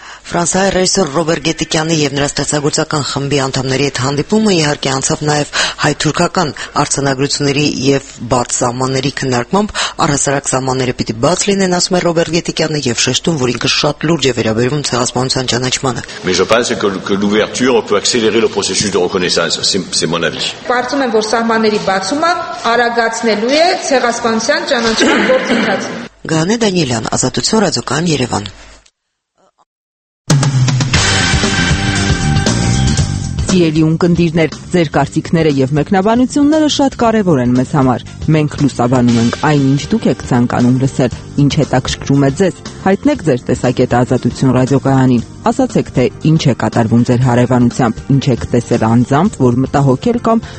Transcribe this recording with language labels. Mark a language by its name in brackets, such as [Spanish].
[Armenian] Ֆրանսիայի ռեժիսոր Ռոբերտ Գետիկյանի եւ նրա ստեղծագործական խմբի անդամների հետ հանդիպումը իհարկե անցավ նաեւ հայ-թուրքական արձանագրությունների եւ բարձ սահմանների քննարկմամբ, առհասարակ սահմանները պիտի բաց լինեն, ասում է Ռոբերտ Գետիկյանը եւ շեշտում, որ ինքը շատ լուրջ է վերաբերվում ցեղասպանության ճանաչմանը. [French] Mais je pense que l'ouverture peut accélérer le processus de reconnaissance, c'est mon avis. [Armenian] Պարզում եմ, որ սահմանների բացումը արագացնելու է ցեղասպանության ճանաչման գործընթացը։ Գանե Դանիելյան, Ազատություն ռադիոկան, Երևան։ Սիրելի ունկնդիրներ, ձեր կարծիքները եւ մեկնաբանությունները շատ կարեւոր են մեզ համար։ Մենք լուսաբանում ենք այն, ինչ դուք եք ցանկանում լսել, ինչ հետաքրքրում է ձեզ։ Հայտնեք ձեր տեսակետը Ազատություն ռադիոկայանին։ Ասացեք, թե ինչ է կատարվում ձեր հարևանությամբ, ինչ եք տեսել անձամբ, որ մտահոգել կամ